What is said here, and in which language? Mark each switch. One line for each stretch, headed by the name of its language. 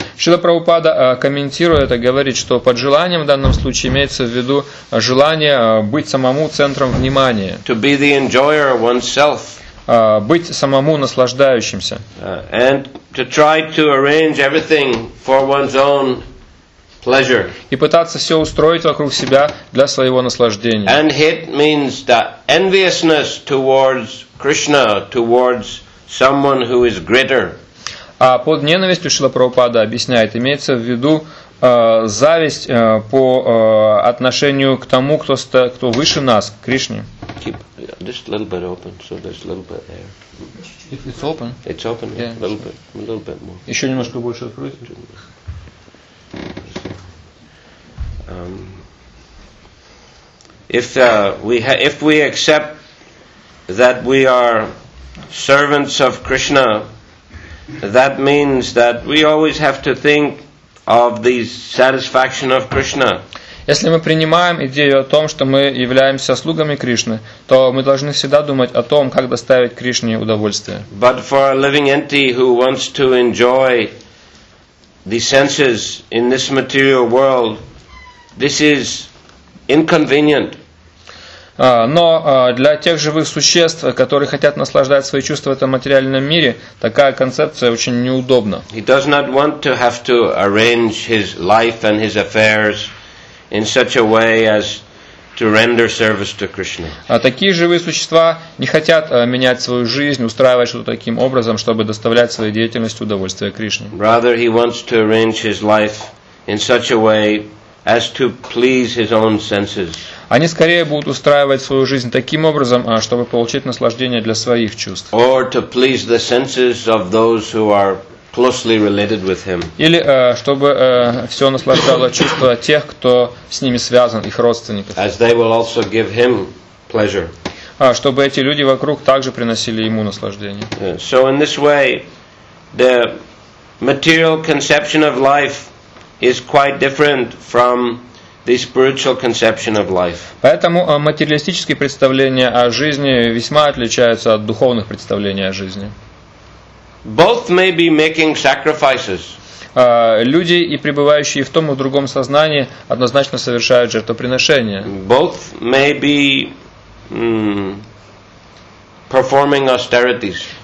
Russian: Шрила Прабхупада комментирует это, говорит, что под желанием в данном случае имеется в виду желание быть самому центром внимания.
English: To be the enjoyer oneself.
Russian: Быть самому наслаждающимся.
English: And to try to arrange everything for one's own pleasure.
Russian: И пытаться все устроить вокруг себя для своего наслаждения.
English: And hate means the enviousness towards Krishna, towards someone who is greater.
Russian: А под ненавистью Шрила Прабхупада объясняет, имеется в виду зависть по отношению к тому, кто выше нас, к Кришне.
English: Keep just a little bit open, so there's a little bit air. It's open. It's open. Yeah. A little bit more.
Russian: Еще немножко больше откройте.
English: If we accept that we are servants of Krishna, that means that we always have to think of the satisfaction of Krishna.
Russian: Если мы принимаем идею о том, что мы являемся слугами Кришны, то мы должны всегда думать о том, как доставить Кришне удовольствие.
English: But for a living entity who wants to enjoy the senses in this material world, this is inconvenient.
Russian: Но для тех живых существ, которые хотят наслаждать свои чувства в этом материальном мире, такая концепция очень неудобна.
English: He does not want to have to arrange his life and his affairs in such a way as to render service to Krishna.
Russian: Такие живые существа не хотят менять свою жизнь, устраивать что-то таким образом, чтобы доставлять своей деятельностью удовольствие Кришне.
English: Rather, he wants to arrange his life in such a way as to please his own senses.
Russian: Они скорее будут устраивать свою жизнь таким образом, чтобы получить наслаждение для своих чувств.
English: Or to please the senses of those who are closely related with him.
Russian: Или чтобы все наслаждало чувства тех, кто с ними связан, их родственников.
English: As they will also give him pleasure.
Russian: Чтобы эти люди вокруг также приносили ему наслаждение.
English: So in this way, the material conception of life is quite different from the spiritual conception of life.
Russian: Поэтому материалистические представления о жизни весьма отличаются от духовных представлений о жизни.
English: Both may be making sacrifices.
Russian: Люди, и пребывающие в том и в другом сознании, однозначно совершают жертвоприношения.
English: Both may be performing austerities.